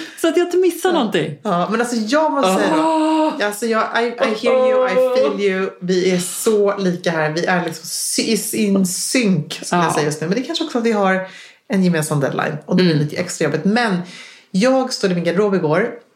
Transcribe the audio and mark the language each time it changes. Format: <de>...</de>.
<sv>Så att jag inte missar någonting. Ja, men alltså jag måste säga då. Alltså jag,</sv> <en>I hear you, I feel you.</en> <sv>Vi är så lika här. Vi är liksom in synk, skulle jag säga just nu. Men det kanske också att vi har en gemensam deadline. Och det blir lite extra jobbigt. Men jag stod i min garderob igår.</sv>